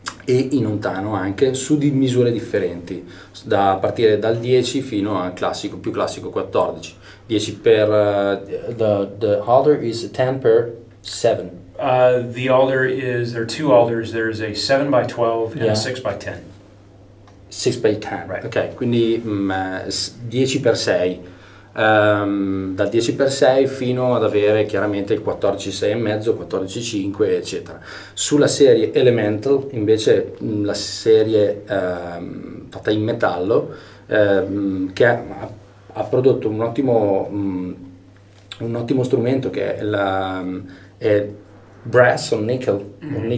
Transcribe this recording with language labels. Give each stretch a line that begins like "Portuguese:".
Italian: e in ontano anche su di misure differenti, da partire dal 10 fino al classico, più classico 14. 10 per
English: the alder is 10 per 7. The alder is, there are two alders, there is a 7 by 12 and a 6 by 10. 6 by 10, right.
Italian: Ok, quindi 10 per 6. Dal 10 per 6 fino ad avere chiaramente il 14,6,5, 14,5 eccetera. Sulla serie Elemental invece la serie fatta in metallo che ha prodotto un ottimo strumento che è brass o nickel, mm-hmm.